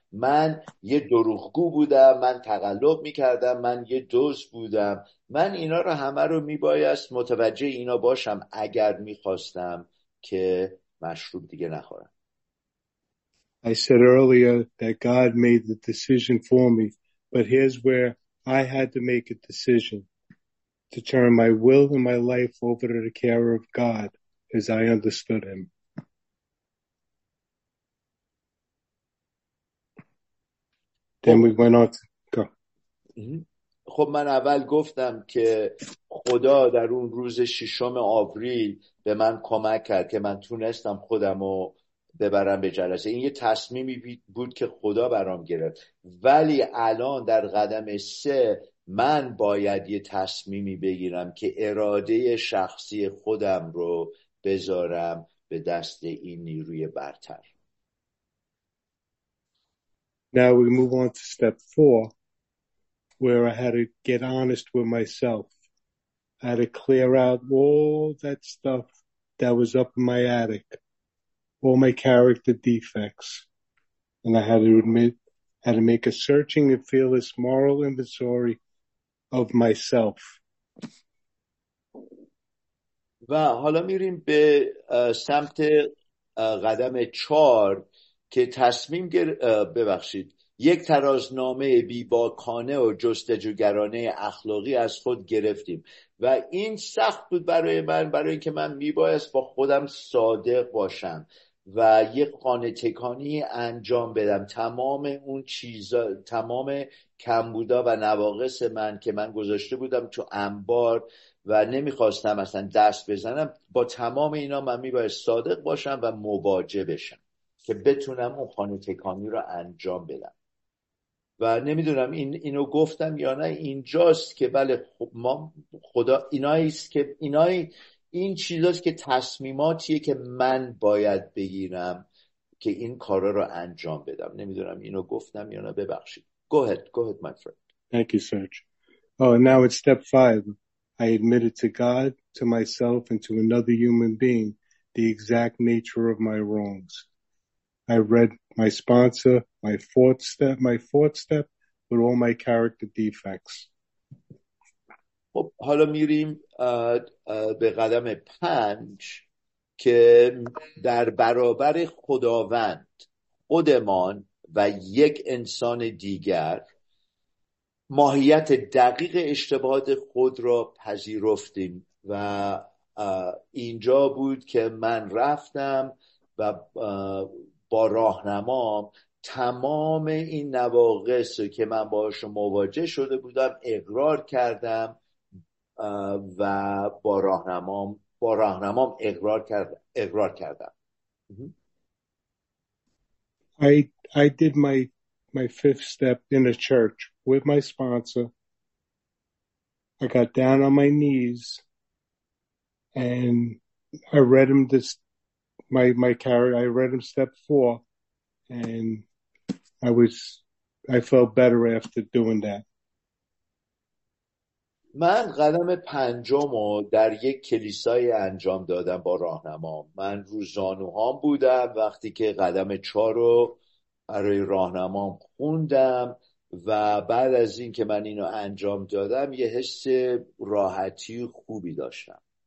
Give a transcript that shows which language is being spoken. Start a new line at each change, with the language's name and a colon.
Persian: من یه دروغگو بودم، من تقلب میکردم، من یه دزد بودم. من اینا رو همه رو میبایست متوجه اینا باشم اگر میخواستم که مشروب دیگه نخورم.
English: I said earlier that God made the decision for me, but here's where I had to make a decision to turn my will and my life over to the care of God as I understood him. Then we went on to go.
Persian: خب من اول گفتم که خدا در اون روز ششم آوریل به من کمک کرد که من تونستم خودم رو ببرم به جلسه. این یه تصمیمی بود که خدا برام گرفت، ولی الان در قدم سه من باید یه تصمیمی بگیرم که اراده شخصی خودم رو بذارم به دست این نیروی برتر.
English: Now we move on to step four, where I had to get honest with myself. I had to clear out all that stuff that was up in my attic, all my character defects. And I had to admit, had to make a searching and fearless moral inventory of myself.
Persian: و حالا میریم به سمت قدم چهار که تصمیم ببخشید یک ترازنامه بیباکانه و جستجوگرانه اخلاقی از خود گرفتیم. و این سخت بود برای من، برای اینکه من میبایست با خودم صادق باشم و یک خانه تکانی انجام بدم تمام اون چیزا، تمام کمبودا و نواقص من که من گذاشته بودم تو انبار و نمیخواستم اصلا دست بزنم، با تمام اینا من میباید صادق باشم و مواجه بشم که بتونم اون خانه تکانی رو انجام بدم. و نمیدونم اینو گفتم یا نه، اینجاست که بله ما خدا ایناییست که اینایی این چیزاست که تصمیماتیه که من باید بگیرم که این کارا رو انجام بدم. نمیدونم اینو گفتم یا نه، ببخشید.
English: Go ahead my friend. Thank you, Serge. Oh, now it's step five. I admitted to God, to myself, and to another human being the exact nature of my wrongs. I read my sponsor, my fourth step, with all my character defects.
Persian: خب حالا میریم به قدم پنج که در برابر خداوند، خودمان و یک انسان دیگر ماهیت دقیق اشتباهات خود را پذیرفتیم. و اینجا بود که من رفتم و با راهنمام تمام این نواقص که من باهاش مواجه شده بودم اقرار کردم و با راهنمام اقرار کردم.
English: I I did my fifth step in the church with my sponsor. I got down on my knees and I read him this, my character. I read him step four and I felt better after doing that.
Persian: من قدم پنجم رو در یک کلیسای انجام دادم با راهنمام. من رو زانوهام بودم وقتی که قدم چهار رو برای راهنمام خوندم و بعد از این که من اینو انجام دادم یه حس راحتی خوبی داشتم.